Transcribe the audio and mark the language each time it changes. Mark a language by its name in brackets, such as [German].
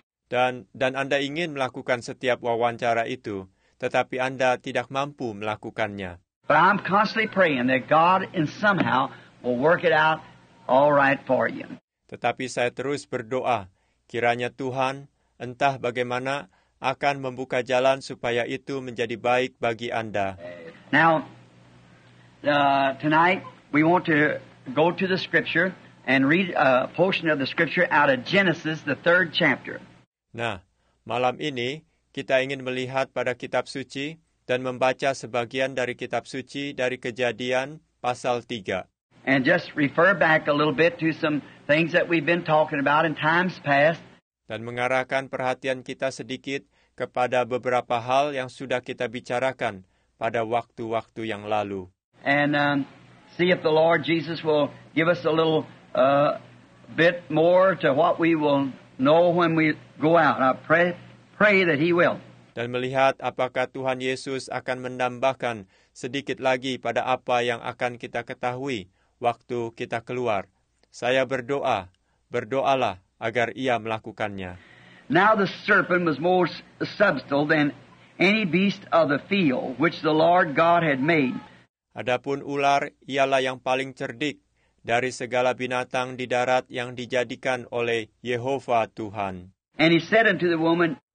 [Indonesian] Dan Anda ingin melakukan setiap wawancara itu, tetapi Anda tidak mampu melakukannya. [English] But I'm constantly praying that God in somehow will work it out all right for you. [Indonesian] Tetapi saya terus berdoa, kiranya Tuhan, entah bagaimana, akan membuka jalan supaya itu menjadi baik bagi Anda. [English] Now, tonight we want to go to the scripture and read a portion of the scripture out of Genesis, the third chapter. [Indonesian] Nah, malam ini kita ingin melihat pada kitab suci dan membaca sebagian dari kitab suci dari Kejadian pasal 3. [English] And just refer back a little bit to some things that we've been talking about in times past. [Indonesian] Dan mengarahkan perhatian kita sedikit kepada beberapa hal yang sudah kita bicarakan pada waktu-waktu yang lalu. [English] And see if the Lord Jesus will give us a little bit more to what we will know when we go out. I pray that He will. [Indonesian] Dan melihat apakah Tuhan Yesus akan menambahkan sedikit lagi pada apa yang akan kita ketahui waktu kita keluar. Saya berdoa, berdoalah agar ia melakukannya. [English] Now the serpent was more subtle than any beast of the field which the Lord God had made. [Indonesian] Adapun ular ialah yang paling cerdik dari segala binatang di darat yang dijadikan oleh Yehova Tuhan. [English] And he said unto the woman,